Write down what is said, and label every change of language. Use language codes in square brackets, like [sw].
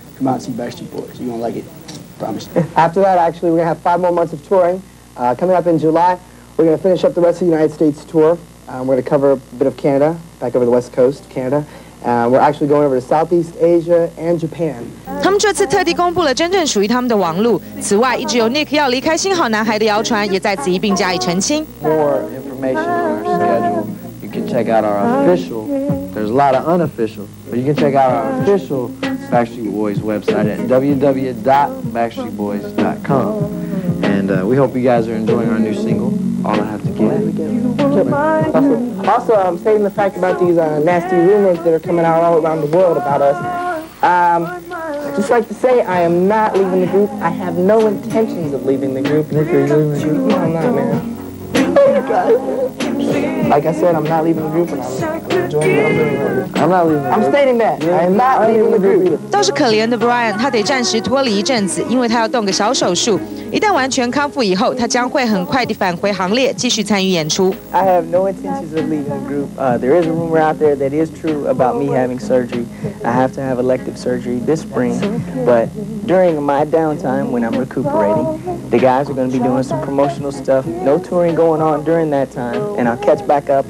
[en] Come out and see Backstreet Boys. You're going to like it. Promise. After that, actually, we're going to have 5 more months of touring. Coming up in July, we're going to finish up the rest of the United States tour. We're going to cover a bit of Canada, back over the West Coast, Canada. We're actually going over to Southeast Asia and Japan. [zh] 他们这次特地公布了真正属于他们的网路。此外，一直有 Nick 要离开新好男孩的谣传，也在此一并加以澄清。 [en] More information on our schedule. You can check out our official. There's a lot of unofficial, but you can check out our official Backstreet Boys website at www.backstreetboys.com. And we hope you guys are enjoying our new single. All I have to give. Also, I'm stating the fact about these nasty rumors that are coming out all around the world about us. Just like to say, I am not leaving the group. I have no intentions of leaving the group. Nick, are you leaving the group? No, I'm not, man. Like I said, I'm not leaving the group. I'm not leaving the group. [zh] 倒是可怜的 Brian， 他得暂时脱离一阵子，因为他要动个小手术。一旦完全康复以后，他将会很快地返回行列，继续参与演出。 [en] I have no intentions of leaving the group. There is a rumor out there that is true about me having surgery. I have to have elective surgery this spring. But during my downtime, when I'm recuperating, the guys are going to be doing some promotional stuff. No touring going on during that time, and I'll catch back up.